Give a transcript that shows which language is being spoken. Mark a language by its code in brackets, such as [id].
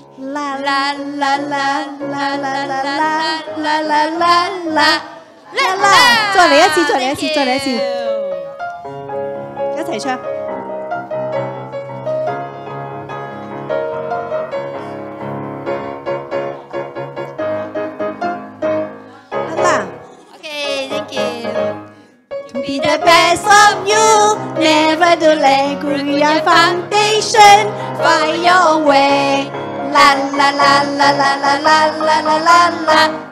[yue] La la la la la la la la la la la la la la. 再嚟一次，再嚟一次，再嚟一次。一起唱。 [en] The best of you, never to let go your foundation, find your way. La la la la la la la la la la la